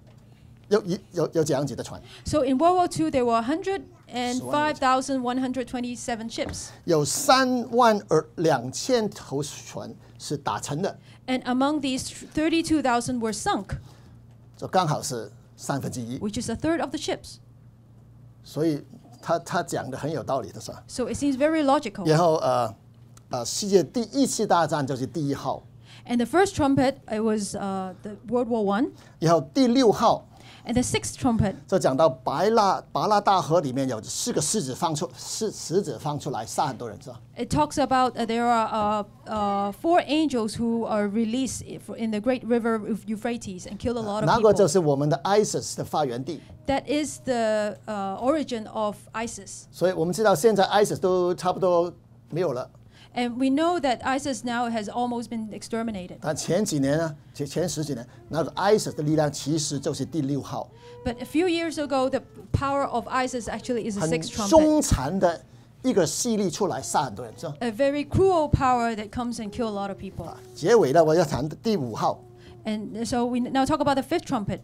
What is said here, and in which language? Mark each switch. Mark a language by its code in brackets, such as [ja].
[zh] 所以在第二次大战里面呢，有105,127艘船是有几样级的船。 [en] So in World War II, there were 105,127 ships. [zh] 有32,000艘船是打沉的。 [en] And among these, 32,000 were sunk, [zh] 就刚好是三分之一, [en] which is a third of the ships. [zh] 所以他讲的很有道理的, [en] so it seems very logical. [zh] 然后, 世界第一次大战就是第一号, [en] and the first trumpet, it was the World War I. [zh] 然后第六号, [en] and the sixth trumpet, [zh] 就讲到巴拉大河里面有四个狮子放出来杀很多人, [en] It talks about there are four angels who are released in the great river of Euphrates and kill a lot of people. [zh] 那个就是我们的 ISIS的发源地。 [en] That is the origin of ISIS. [zh] 所以我们知道现在 ISIS都差不多没有了。 [en] And we know that ISIS now has almost been exterminated. [zh] 但前几年呢，前十几年， 那个ISIS的力量其实就是第六号。 [en] But a few years ago, the power of ISIS actually is a sixth trumpet. [zh] 很凶残的一个势力出来杀很多人, [en] A very cruel power that comes and kill a lot of people. [zh] 结尾呢，我要谈第五号。 [en] And so we now talk about the fifth trumpet.